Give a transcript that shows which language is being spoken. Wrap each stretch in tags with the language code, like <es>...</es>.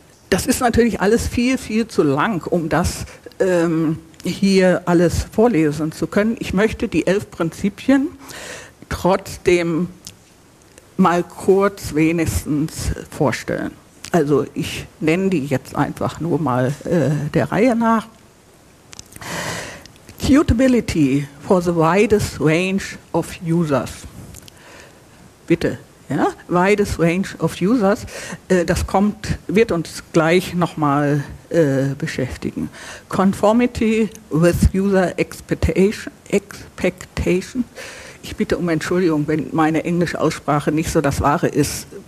<de>Das ist natürlich alles viel, viel zu lang, um das hier alles vorlesen zu können. Ich möchte die 11 Prinzipien trotzdem mal kurz wenigstens vorstellen. Also ich nenne die jetzt einfach nur mal der Reihe nach.</de> <en>Suitability for the widest range of users.</en> <de>Bitte, ja,</de> <en>widest range of users.</en> <de>Das kommt, wird uns gleich nochmal beschäftigen.</de> <en>Conformity with user expectation.</en> <de>Ich bitte um Entschuldigung, wenn meine englische Aussprache nicht so das Wahre ist.</de>